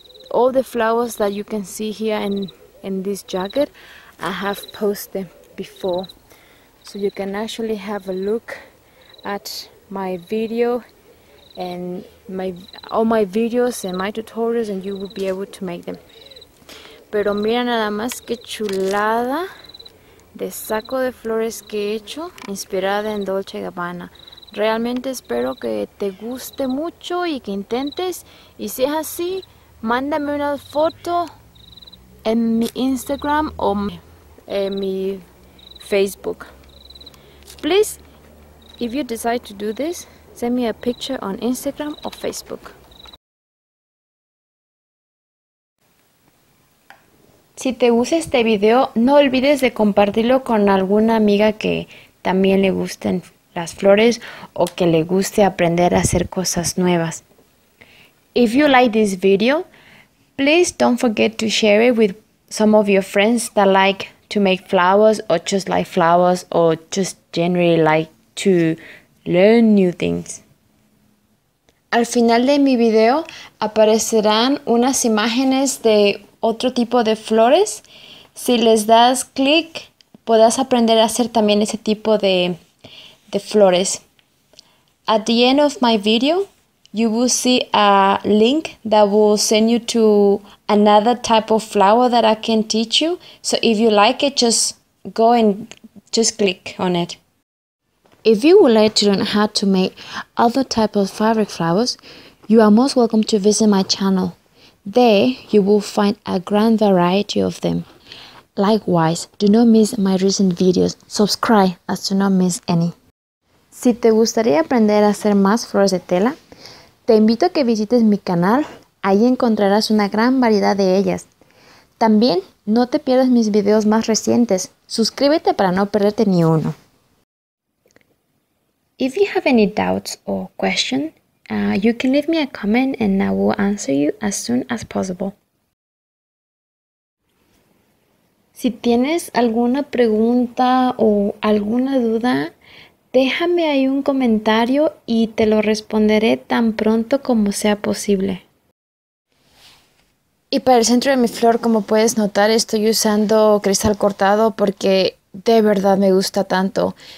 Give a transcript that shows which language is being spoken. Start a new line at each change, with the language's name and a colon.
English: All the flowers that you can see here and in this jacket, I have posted before, so you can actually have a look at my video and all my videos and my tutorials, and you will be able to make them.
Spanish: Pero mira nada más que chulada de saco de flores que he hecho inspirada en Dolce & Gabbana. Realmente espero que te guste mucho y que intentes, y si es así, mándame una foto en mi Instagram o en mi Facebook. Please,
English: If you decide to do this, send me a picture on Instagram or Facebook.
Spanish: Si te gusta este video, no olvides de compartirlo con alguna amiga que también le gusten las flores o que le guste aprender a hacer cosas nuevas.
English: If you like this video, please don't forget to share it with some of your friends that like to make flowers or just like flowers or just generally like to learn new things.
Spanish: Al final de mi video aparecerán unas imágenes de otro tipo de flores. Si les das clic, podrás aprender a hacer también ese tipo de flores.
English: At the end of my video, you will see a link that will send you to another type of flower that I can teach you. So if you like it, just go and just click on it. If you would like to learn how to make other types of fabric flowers, you are most welcome to visit my channel. There, you will find a grand variety of them. Likewise, do not miss my recent videos. Subscribe as to not miss any.
Spanish: Si te gustaría aprender a hacer más flores de tela, te invito a que visites mi canal. Ahí encontrarás una gran variedad de ellas. También, no te pierdas mis videos más recientes. Suscríbete para no perderte ni uno.
English: If you have any doubts or questions, you can leave me a comment and I will answer you as soon as possible.
Spanish: Si tienes alguna pregunta o alguna duda, déjame ahí un comentario y te lo responderé tan pronto como sea posible. Y para el centro de mi flor, como puedes notar, estoy usando cristal cortado porque de verdad me gusta tanto.